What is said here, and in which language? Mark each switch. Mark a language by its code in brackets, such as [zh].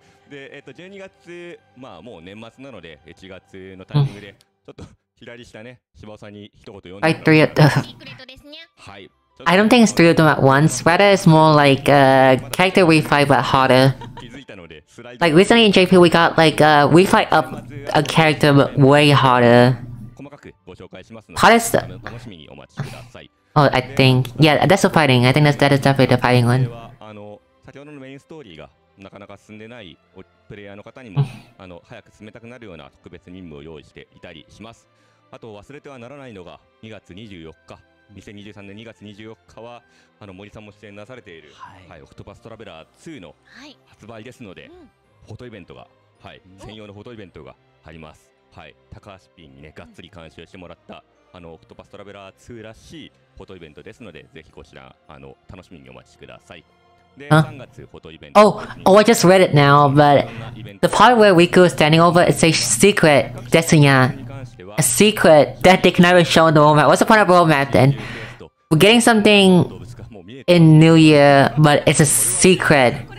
[ja] 12月、まあもう年末なので、1月のタイミングで、ちょっと左下ね、柴尾さんに一言読んでみてください。 [en] I don't think it's three of them at once. Rather, it's more like a character refight but harder. Like recently in JP, we got like a refight up a character but way harder. [ja] 細かくご紹介しますので、楽しみにお待ちください。 [en] Oh, I think. Yeah, that's the fighting. I think that's definitely the fighting one. [ja] あの、先ほどのメインストーリーが、なかなか進んでないプレイヤーの方にもあの早く進めたくなるような特別任務を用意していたりします。あと忘れてはならないのが2月24日、2023年2月24日はあの森さんも出演なされている、はいはい、オクトパストラベラー2の発売ですので、はい、フォトイベントが、はい、専用のフォトイベントがあります、はい、高橋ピンに、ね、がっつり監修してもらったあのオクトパストラベラー2らしいフォトイベントですので、ぜひこちらあの楽しみにお待ちください。で、3月フォトイベント。 [en] Oh, I just read it now, but the part where Riku is standing over is a secret destiny. A secret that they cannot even show in the roadmap. What's the point of roadmap then? We're getting something in New Year, but it's a secret.